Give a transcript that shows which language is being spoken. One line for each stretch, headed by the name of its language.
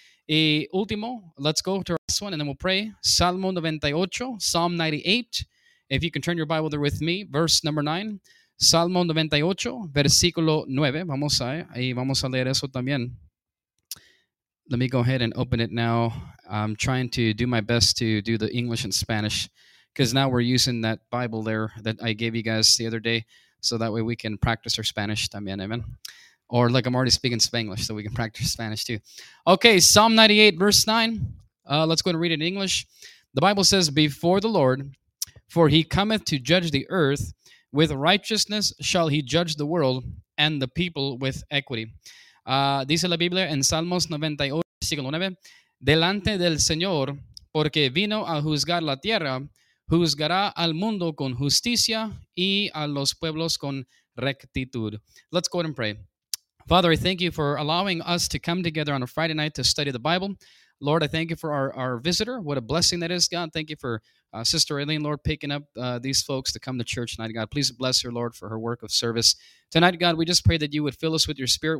Spanish: Y último,
English: let's go to our last one and then we'll pray. Salmo 98, Psalm 98, if you can turn your Bible there with me, verse number 9.
Spanish: Salmo 98, versículo 9, vamos a, ahí vamos a leer eso también.
English: Let me go ahead and open it now. I'm trying to do my best to do the English and Spanish because now we're using that Bible there that I gave you guys the other day so that way we can practice our Spanish también, amen? Or like I'm already speaking Spanglish so we can practice Spanish too. Okay, Psalm 98, verse 9. Let's go ahead and read it in English. The Bible says, "Before the Lord, for he cometh to judge the earth, with righteousness shall he judge the world and the people with equity."
Spanish: Dice la Biblia en Salmos 98, versículo 9, "Delante del Señor, porque vino a juzgar la tierra, juzgará al mundo con justicia y a los pueblos con rectitud."
English: Let's go ahead and pray. Father, I thank you for allowing us to come together on a Friday night to study the Bible. Lord, I thank you for our visitor. What a blessing that is, God. Thank you for Sister Aileen, Lord, picking up these folks to come to church tonight, God. Please bless her, Lord, for her work of service. Tonight, God, we just pray that you would fill us with your spirit.